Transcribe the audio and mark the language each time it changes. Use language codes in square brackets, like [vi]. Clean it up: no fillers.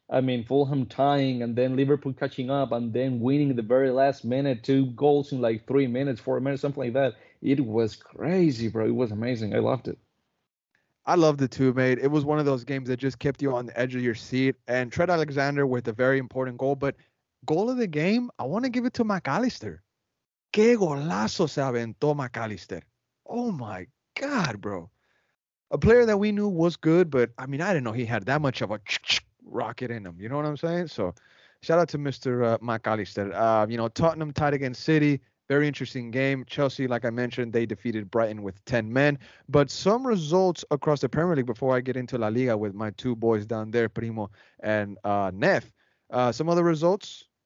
[en] I mean, Fulham tying and then Liverpool catching up and then winning the very last minute, 2 goals in like 3 minutes, 4 minutes, something like that. It was crazy, bro. It was amazing. I loved it. I loved it too, mate. It was one of those games that just kept you on the edge of your seat. And Trent Alexander with a very important goal. But goal of the game, I want to give it to McAllister. [es] Qué golazo se aventó McAllister. [en] Oh my God, bro. A player that we knew was good, but I mean, I didn't know he had that much of a rocket in him. You know what I'm saying? So shout out to Mr. McAllister. You know, Tottenham tied against City. Very interesting game. Chelsea, like I mentioned, they defeated Brighton with 10 men. But some results across the Premier League before I get into La Liga with my two boys down there, Primo and Neff. Some other results.